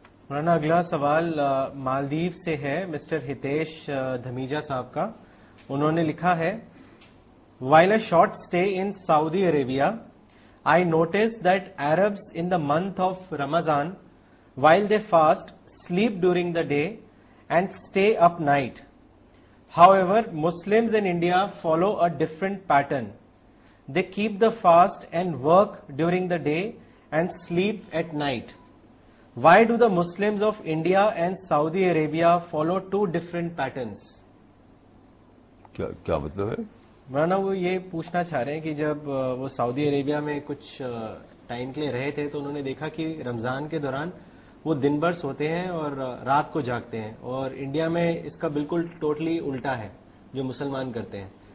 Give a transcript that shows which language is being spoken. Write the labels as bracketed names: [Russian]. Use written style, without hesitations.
[Urdu] مولانا اگلا سوال مالدیو سے ہے, مسٹر ہتیش دھمیجا صاحب کا. انہوں نے لکھا ہے, [English] While a short stay in Saudi Arabia I notice that Arabs in the month of Ramzan while they fast sleep during the day and stay up night. However, Muslims in India follow a different pattern. They keep the fast and work during the day and sleep at night. Why do the Muslims of India and Saudi Arabia follow two different patterns? [Urdu] کیا مطلب ہے؟ مولانا وہ یہ پوچھنا چاہ رہے ہیں کہ جب وہ سعودی عربیہ میں کچھ ٹائم کے لیے رہے تھے تو انہوں نے دیکھا کہ رمضان کے دوران وہ دن بھر سوتے ہیں اور رات کو جاگتے ہیں, اور انڈیا میں اس کا بالکل ٹوٹلی الٹا ہے جو مسلمان کرتے ہیں.